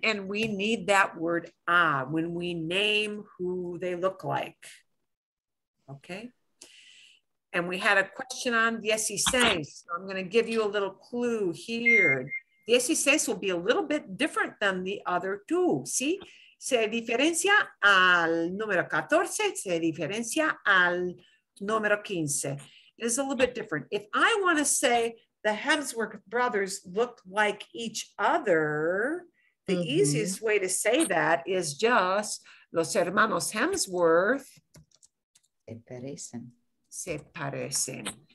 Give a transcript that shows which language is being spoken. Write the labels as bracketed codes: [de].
[en] and we need that word when we name who they look like. Okay, and we had a question on 16, so I'm going to give you a little clue here. 16 will be a little bit different than the other two. [es] ¿Sí? Se diferencia al número 14, se diferencia al número 15. [en] It is a little bit different. If I want to say the Hemsworth brothers look like each other, the mm-hmm. easiest way to say that is just [es] los hermanos Hemsworth. Se parecen. Se parecen.